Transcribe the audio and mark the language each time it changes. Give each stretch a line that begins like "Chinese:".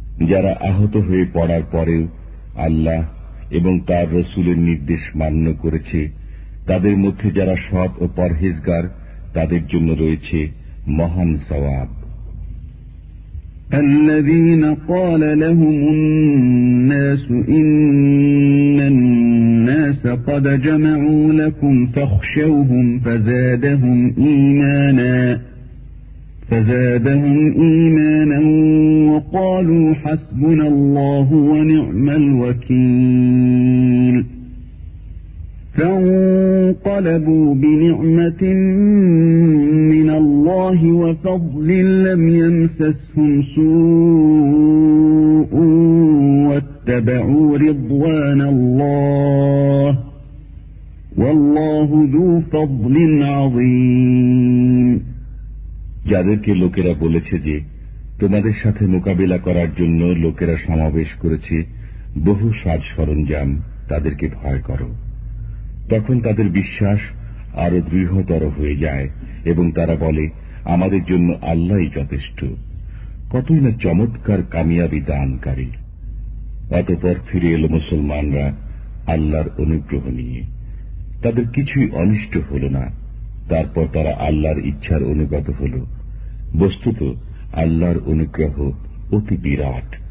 Bangla: যারা আহত হয়ে পড়ার পরেও আল্লাহ এবং তার রসুলের নির্দেশ মান্য করেছে তাদের মধ্যে যারা সৎ ও পরহেজগার তাদের জন্য রয়েছে মহান সওয়াব।
Arabic: الذين قال لهم الناس إن الناس لقد جمعوا لكم فاخشوهم فزادهم إيمانا وقالوا حسبنا الله ونعم الوكيل فانقلبوا بنعمة من الله وفضل لم يمسسهم سوء واتبعوا رضوان الله والله ذو فضل عظيم
Bangla: যাদেরকে লোকেরা বলেছে যে তোমাদের সাথে মোকাবিলা করার জন্য লোকেরা সমাবেশ করেছে বহু সাজ সরঞ্জাম তাদেরকে ভয় কর তখন তাদের বিশ্বাস আরো দৃঢ়তর হয়ে যায় এবং তারা বলে আমাদের জন্য আল্লাহই যথেষ্ট কতই না চমৎকার কামিয়াবি দানকারী অতঃপর ফিরে এল মুসলমানরা আল্লাহর অনুগ্রহ নিয়ে তাদের কিছুই অনিষ্ট হল না তারপর তারা আল্লাহর ইচ্ছার অনুগত হল বস্তুত আল্লাহর অনুগ্রহ অতি বিরাট